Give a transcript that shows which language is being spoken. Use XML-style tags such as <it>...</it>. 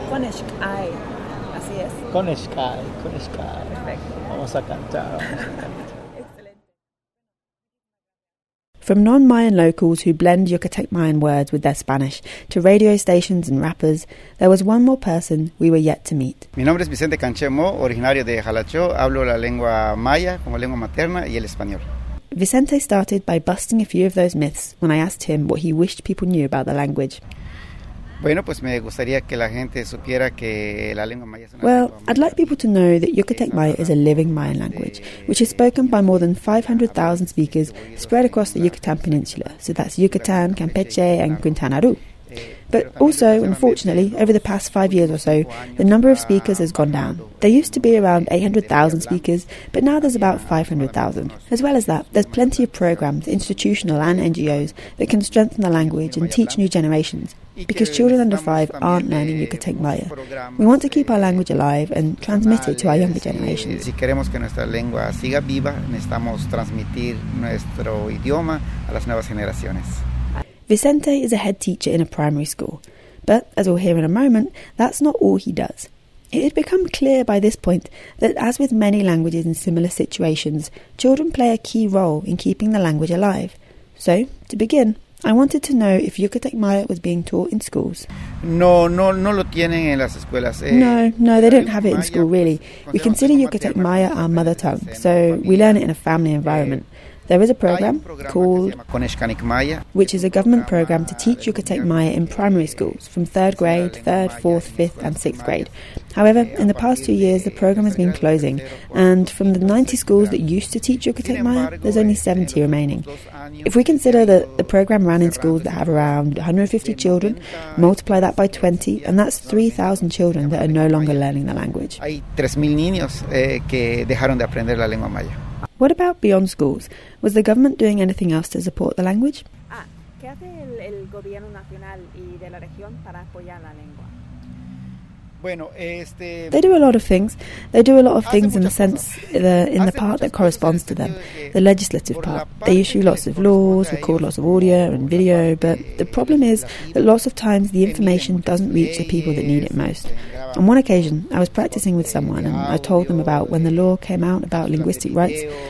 <yua>Konishk ay.</yua> <es>Así es.</es> <yua>Konishk ay. Konishk ay.</yua> <es>Perfecto. Vamos a cantar.</es> <en>From non-Mayan locals who blend Yucatec Mayan words with their Spanish to radio stations and rappers, there was one more person we were yet to meet.</en> <es>Mi nombre es Vicente Canchemo, originario de Jalacho. Hablo la lengua maya como lengua materna y el español.</es> <en>Vicente started by busting a few of those myths when I asked him what he wished people knew about the language.</en> <es>Bueno, pues me gustaría que la gente supiera que la lengua maya es una</es> <en>Well, I'd like people to know that Yucatec Maya is a living Mayan language, which is spoken by more than 500,000 speakers spread across the Yucatan Peninsula. So that's Yucatan, Campeche, and Quintana Roo. But also, unfortunately, over the past 5 years or so, the number of speakers has gone down. There used to be around 800,000 speakers, but now there's about 500,000. As well as that, there's plenty of programs, institutional and NGOs, that can strengthen the language and teach new generations, because children under five aren't learning Yucatec Maya. We want to keep our language alive and transmit it to our younger generations.</en> <es>Si queremos que nuestra lengua siga viva, necesitamos transmitir nuestro idioma a las nuevas generaciones.</es> <en>Vicente is a head teacher in a primary school. But, as we'll hear in a moment, that's not all he does. It had become clear by this point that, as with many languages in similar situations, children play a key role in keeping the language alive. So, to begin, I wanted to know if Yucatec Maya was being taught in schools.</en> <es>No lo tienen en las escuelas.</es> <en>No, they don't have it in school, really. We consider Yucatec Maya our mother tongue, so we learn it in a family environment. There is a program called Koneshkanik Maya, which is a government program to teach Yucatec Maya in primary schools from third grade, third, fourth, fifth, and sixth grade. However, in the past 2 years, the program has been closing, and from the 90 schools that used to teach Yucatec Maya, there's only 70 remaining. If we consider that the program ran in schools that have around 150 children, multiply that by 20, and that's 3,000 children that are no longer learning the language.</en> <es>Hay 3,000 niños que dejaron de aprender la lengua maya.</es> <en>What about beyond schools? Was the government doing anything else to support the language?</en> <es>¿Qué hace el gobierno nacional y de la región para apoyar la lengua?</es> <en>They do a lot of things. They do a lot of things in the sense, in the part that corresponds to them, the legislative part. They issue lots of laws, record lots of audio and video, but the problem is that lots of times the information doesn't reach the people that need it most. On one occasion, I was practicing with someone and I told them about when the law came out about linguistic rights.</en>